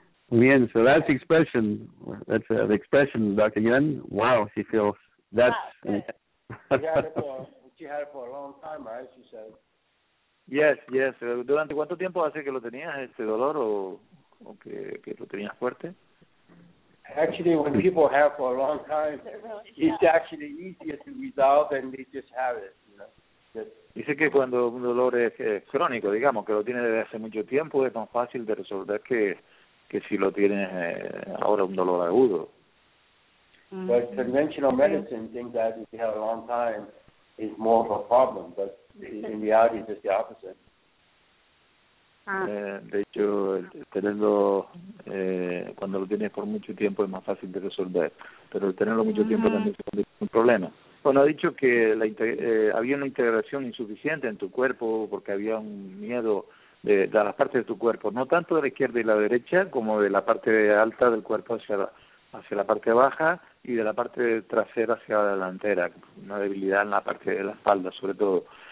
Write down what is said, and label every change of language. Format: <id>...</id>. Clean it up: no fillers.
<en>Bien, so that's expression. That's the expression, Dr. Yuen. Wow, she feels that's... Ah, she had it for a long time, right, she said. Yes, yes.</en> <es>¿Durante cuánto tiempo hace que lo tenías, este dolor, o que lo tenías fuerte?</es> <en>Actually, when people have for a long time, it's actually easier to resolve than they just have it.</en> <es>Dice que cuando un dolor es crónico, digamos, que lo tiene desde hace mucho tiempo, es más fácil de resolver que si lo tienes ahora un dolor agudo.</es> <en>But conventional medicine thinks that if you have a long time, it's more of a problem, but in reality, it's just the opposite.</en> <es>De hecho, tenerlo cuando lo tienes por mucho tiempo es más fácil de resolver, pero tenerlo mucho tiempo también es un problema. Bueno, ha dicho que había una integración insuficiente en tu cuerpo porque había un miedo de las partes de tu cuerpo, no tanto de la izquierda y la derecha, como de la parte alta del cuerpo hacia la parte baja y de la parte trasera hacia la delantera, una debilidad en la parte de la espalda sobre todo.</es>